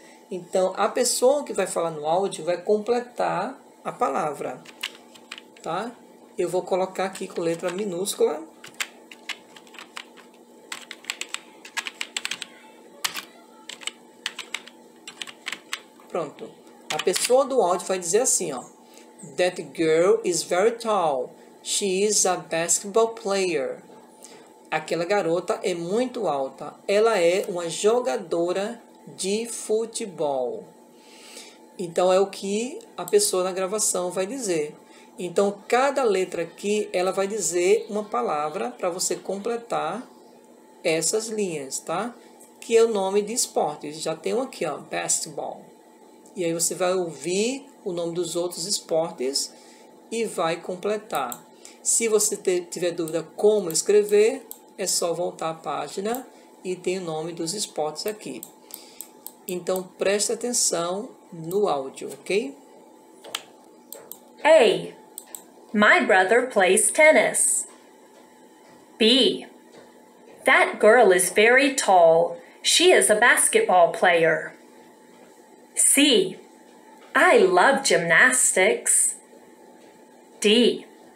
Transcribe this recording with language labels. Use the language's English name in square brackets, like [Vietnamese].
[Portuguese] Então, a pessoa que vai falar no áudio vai completar a palavra. Tá? Eu vou colocar aqui com letra minúscula. Pronto. A pessoa do áudio vai dizer assim, ó. [English] That girl is very tall. She is a basketball player. [Portuguese] Aquela garota é muito alta. Ela é uma jogadora de futebol. Então, é o que a pessoa na gravação vai dizer. Então, cada letra aqui, ela vai dizer uma palavra para você completar essas linhas, tá? Que é o nome de esporte. Já tem um aqui, ó, basketball. E aí, você vai ouvir o nome dos outros esportes e vai completar. Se você tiver dúvida como escrever, é só voltar à página e tem o nome dos esportes aqui. Então, preste atenção no áudio, ok? [English] A. My brother plays tennis. B. That girl is very tall. She is a basketball player. C. I love gymnastics. D.